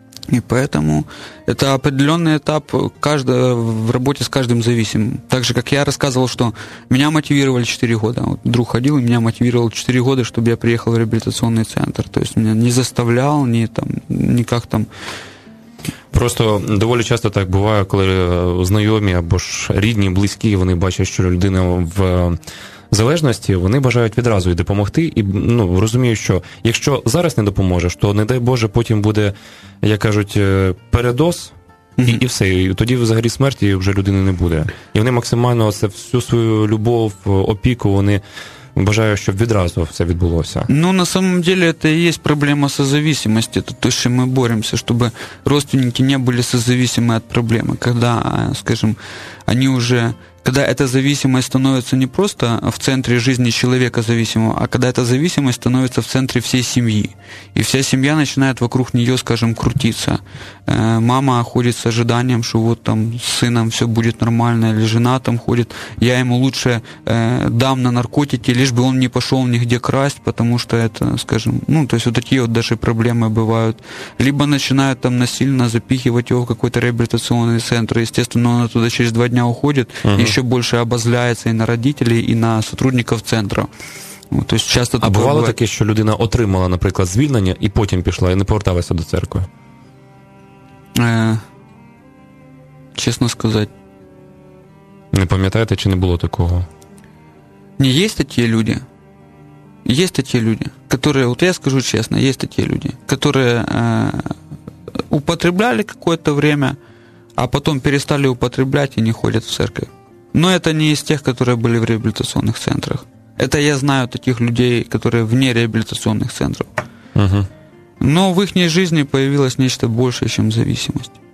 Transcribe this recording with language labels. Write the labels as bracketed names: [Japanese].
[Russian] И поэтому это определенный этап в работе с каждым зависимым. Так же, как я рассказывал, что меня мотивировали 4 года. Вот друг ходил и меня мотивировал 4 года, чтобы я приехал в реабилитационный центр. То есть меня не заставлял, не там, никак там. [Ukrainian] Просто доволі часто так буває, коли знайомі або ж рідні, близькі, вони бачать, що людина в залежності, вони бажають відразу й допомогти, і ну, розумію, що якщо зараз не допоможеш, то, не дай Боже, потім буде, як кажуть, передоз, і все, і тоді взагалі смерті вже людини не буде. І вони максимально це всю свою любов, опіку, вони бажаю, щоб відразу все відбулося. [Russian] Ну, на самом деле, это и есть проблема созависимости. Это то, [Ukrainian] що ми боремося, щоб [Russian] родственники [Ukrainian] не були [Russian] созависимы от проблемы. Когда, скажем, они уже... Когда эта зависимость становится не просто в центре жизни человека зависимого, а когда эта зависимость становится в центре всей семьи. И вся семья начинает вокруг нее, скажем, крутиться. Мама ходит с ожиданием, что вот там с сыном все будет нормально, или жена там ходит, я ему лучше дам на наркотики, лишь бы он не пошел нигде красть, потому что это, скажем, ну, то есть вот такие вот даже проблемы бывают. Либо начинают там насильно запихивать его в какой-то реабилитационный центр, естественно, он оттуда через 2 дня уходит, и еще больше обозляется и на родителей, и на сотрудников центра. Ну, то есть часто [Ukrainian] а бывало таке, що людина отримала, наприклад, звільнення і потім пішла, і не поверталася до церкви? Чесно сказати. Не пам'ятаєте, чи не було такого? Ні, є такі люди. Є такі люди, які, от я скажу чесно, є такі люди, які [Russian] употребляли какое-то время, а потом перестали употреблять и не ходят в церковь. Но это не из тех, которые были в реабилитационных центрах. Это я знаю таких людей, которые вне реабилитационных центров. Угу. Но в их жизни появилось нечто большее, чем зависимость.